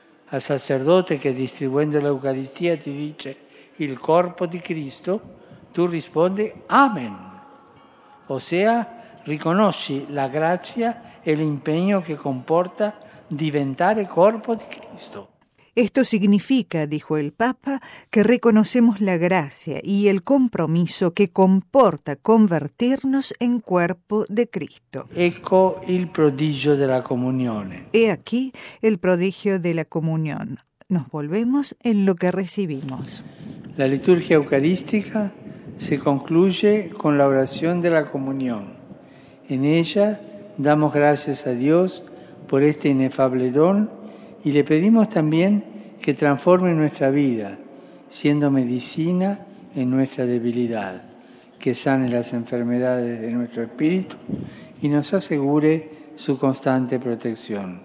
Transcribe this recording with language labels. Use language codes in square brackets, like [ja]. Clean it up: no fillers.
[es] Al sacerdote que distribuyendo la Eucaristía te dice el cuerpo de Cristo, tú respondes amén. O sea, reconoce la gracia el empeño que comporta [it] diventare corpo di Cristo. [es] Esto significa, dijo el Papa, que reconocemos la gracia y el compromiso que comporta convertirnos en cuerpo de Cristo. [it] Ecco il prodigio della comunione. [es] He aquí el prodigio de la comunión. Nos volvemos en lo que recibimos. La liturgia eucarística se concluye con la oración de la comunión. En ella damos gracias a Dios por este inefable don y le pedimos también que transforme nuestra vida, siendo medicina en nuestra debilidad, que sane las enfermedades de nuestro espíritu y nos asegure su constante protección.